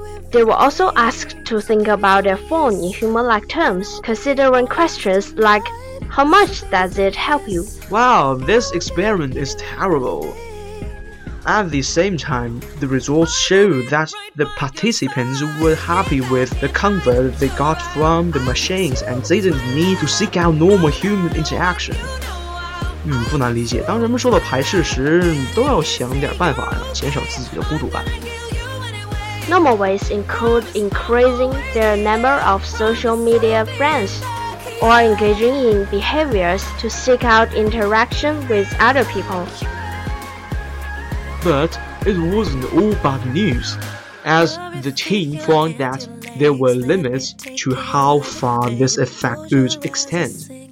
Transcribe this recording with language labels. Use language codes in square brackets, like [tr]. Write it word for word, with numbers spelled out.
[en] They were also asked to think about their phone in human-like terms, considering questions like, how much does it help you? Wow, this experiment is terrible. At the same time, the results show that the participants were happy with the comfort they got from the machines and they didn't need to seek out normal human interaction. [zh] 嗯，不难理解，当人们受到排斥时，都要想点办法减少自己的孤独感。 [en] Normal ways include increasing their number of social media friends or engaging in behaviors to seek out interaction with other people. But it wasn't all bad news, as the team found that there were limits to how far this effect would extend.